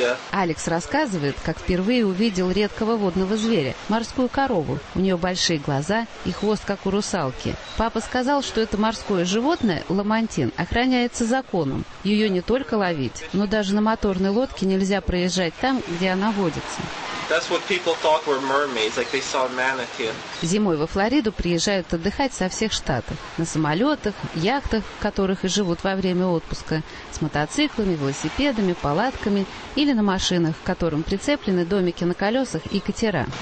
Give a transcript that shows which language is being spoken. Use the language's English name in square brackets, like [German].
[Russian] Алекс рассказывает, как впервые увидел редкого водного зверя – морскую корову. У нее большие глаза и хвост, как у русалки. Папа сказал, что это морское животное – ламантин – охраняется законом. Ее не только ловить, но даже на моторной лодке нельзя проезжать там, где она водится. [English] That's what people thought were mermaids, like they saw manatees. [Russian] Зимой во Флориду приезжают отдыхать со всех штатов. На самолетах, яхтах, в которых и живут во время отпуска, с мотоциклами, велосипедами, палатками или на машинах, к которым прицеплены домики на колесах и катера.